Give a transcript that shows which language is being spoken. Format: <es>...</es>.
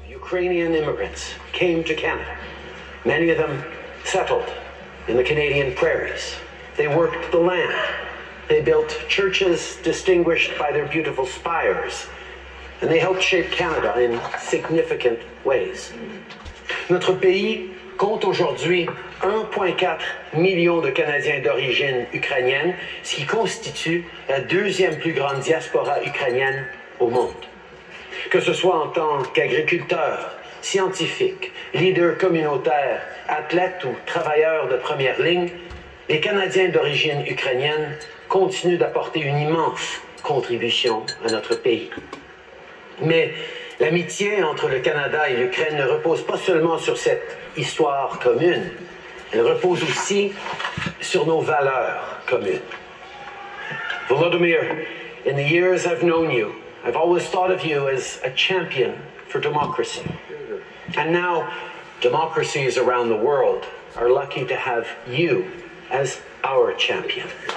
<en>Ukrainian immigrants came to Canada. Many of them settled in the Canadian prairies. They worked the land. They built churches distinguished by their beautiful spires. And they helped shape Canada in significant ways.</en> <fr>Notre pays compte aujourd'hui 1,4 million de Canadiens d'origine ukrainienne, ce qui constitue la deuxième plus grande diaspora ukrainienne au monde. Que ce soit en tant qu'agriculteurs, scientifiques, leaders communautaires, athlètes ou travailleurs de première ligne, les Canadiens d'origine ukrainienne continuent d'apporter une immense contribution à notre pays. Mais l'amitié entre le Canada et l'Ukraine ne repose pas seulement sur cette histoire commune, elle repose aussi sur nos valeurs communes.</fr> <en>Volodymyr, in the years I've known you, I've always thought of you as a champion for democracy. And now, democracies around the world are lucky to have you as our champion.</en>